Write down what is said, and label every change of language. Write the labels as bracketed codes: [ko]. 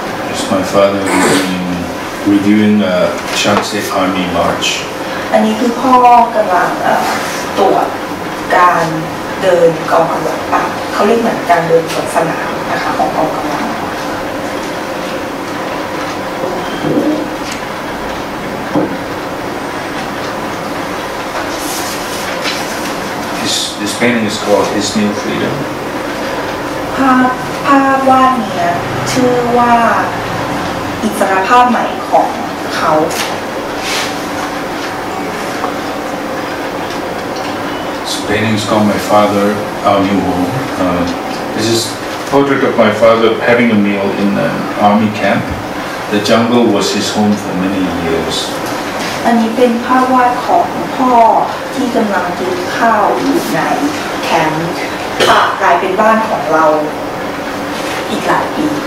[en] It's my father reviewing Chang State Army March. [th] อันนี้คือพ่อกำลังตรวจการเดินกองกำลังเขาเรียกเหมือนการเดินสนามนะคะของกองกำลัง [en] This painting is called His New Freedom. [th] ภาพวาดนี้ชื่อว่าอิสรภาพใหม่ของเขา [en] This painting is called My Father, Our New Home. This is a portrait of my father having a meal in an army camp. The jungle was his home for many years. [th] อันนี้เป็นภาพวาดของพ่อที่กำลังกินข้าวอยู่ในแคมป์ค่ะกลายเป็นบ้านของเราอีกหลายปี